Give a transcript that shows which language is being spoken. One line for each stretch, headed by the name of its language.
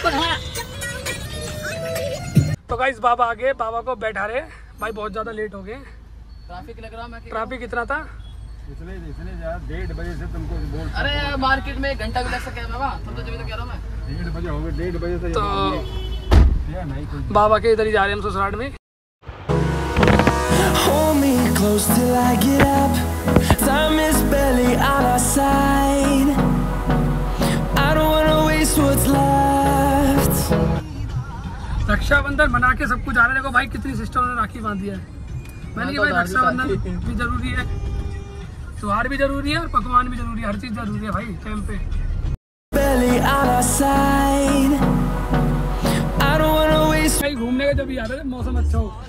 Hindi: तो गाइस बाबा आ गए, बाबा को बैठा रहे भाई, बहुत ज्यादा लेट हो गए। ट्रैफिक लग रहा है, ट्रैफिक इतना था इसलिए डेढ़ बजे से तुमको बोल। अरे मार्केट में घंटा भी लग सके बाबा, तो कह रहा हूँ मैं डेढ़ बजे हो गए, डेढ़ बजे से बाबा के इधर ही जा रहे हम ससुराल में।
English: Hold me close till I get up, time is barely on our side, I don't wanna waste what's left।
Hindi: Rakshabandhan मना के सब कुछ आ रहे, देखो भाई कितनी सिस्टर ने राखी बांधी है। मैंने कहा भाई रक्षाबंधन भी जरूरी है, त्योहार भी जरूरी है और पकवान भी जरूरी है, हर चीज जरूरी है भाई टाइम पे। घूमने का जब भी आ रहा है मौसम अच्छा हो।